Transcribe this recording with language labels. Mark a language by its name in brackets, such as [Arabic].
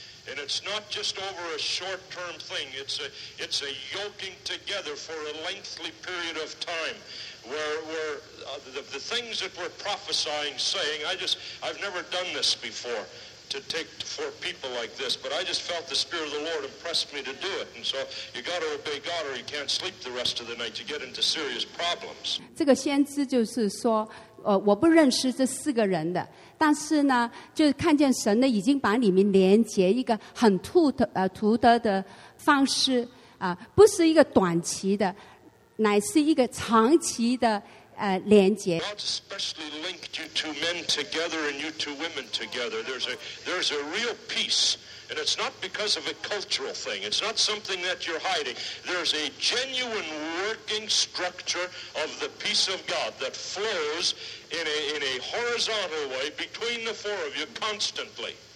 [English] And it's not just over a short-term thing. It's a yoking together for a lengthy period of time where the things that we're prophesying, saying, I've never done this before to take four people like this, but I just felt the Spirit of the Lord impressed me to do it. And so you got to obey God or you can't sleep the rest of the night. You get into serious problems. [Chinese] 这个先知就是说, 我不认识这四个人的，但是呢，就看见神呢已经把你们连接一个很独特的方式，不是一个短期的，乃是一个长期的连接。 [English] God especially linked you two men together and you two women together. There's a real peace, and it's not because of a cultural thing. It's not something that you're hiding. There's a genuine working structure of the peace of God that flows in a horizontal way between the four of you constantly.